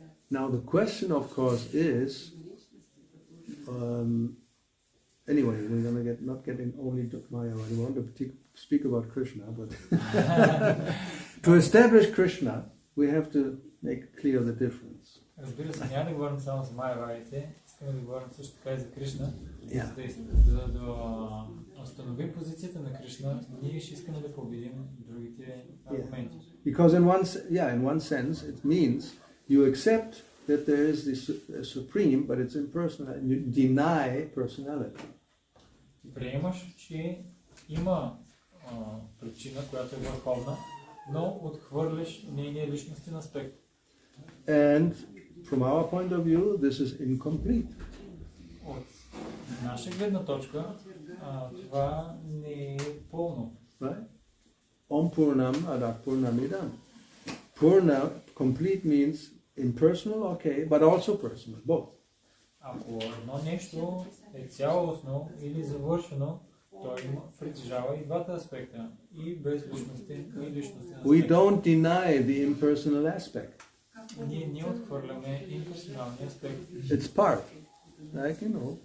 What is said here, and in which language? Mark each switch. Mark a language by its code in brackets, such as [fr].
[en] Now the question, of course, is, anyway, we're going to get not getting only to Maya, we want to speak about Krishna, but to establish Krishna, we have to make clear the difference. [bg] Разбира се, няма да говорим само за Майяваите, искаме да говорим също така и за Кришна. За да установи позицията на Кришна, ние ще искаме да победим другите аргументи. [en] Because in one sense it means you accept that there is this supreme, but it's impersonal, and you deny personality. [bg] Приемаш, че има причина, която е върховна, но отхвърляш нейния личностен аспект. [en] And from our point of view, this is incomplete. [bg] От наша гледна точка, това не е пълно. [sa] Right? Om Purnam Adak Purnam Idam. [en] Purna, complete means impersonal, okay, but also personal, both. [bg] Ако едно нещо е цялостно или завършено, той притежава и двата аспекта, и без личностен, и личностен аспект. [en] We don't deny the impersonal aspect. [bg] Ние не отхвърляме имперсоналния аспект. [en] It's part, like you know.